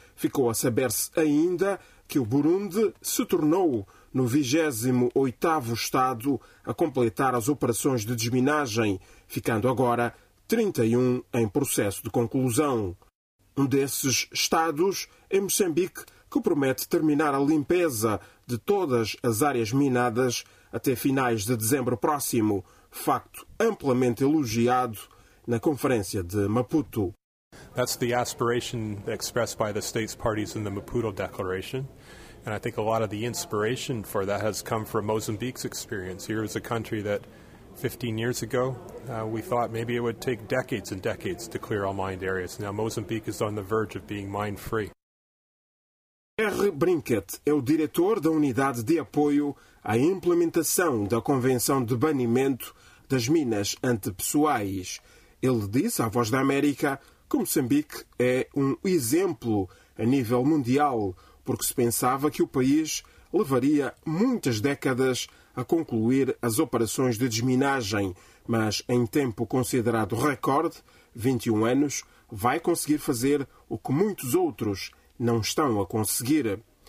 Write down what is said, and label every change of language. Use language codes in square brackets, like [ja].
[pt] Ficou a saber-se ainda que o Burundi se tornou no 28º Estado a completar as operações de desminagem, ficando agora 31 em processo de conclusão. Um desses estados é Moçambique, que promete terminar a limpeza de todas as áreas minadas até finais de dezembro próximo, facto amplamente elogiado na Conferência de Maputo. [en] That's the aspiration expressed by the states parties in the Maputo Declaration. And I think a lot of the inspiration for that has come from Mozambique's experience. Here is a country that 15 years ago, we thought maybe it would take decades and decades to clear all mined areas. Now Mozambique is on the verge of being mine-free. R. [pt] Brinkett é o diretor da Unidade de Apoio à Implementação da Convenção de Banimento das Minas Antipessoais. Ele disse à Voz da América que Moçambique é um exemplo a nível mundial, porque se pensava que o país levaria muitas décadas a concluir as operações de desminagem, mas em tempo considerado recorde, 21 anos, vai conseguir fazer o que muitos outros não estão a conseguir.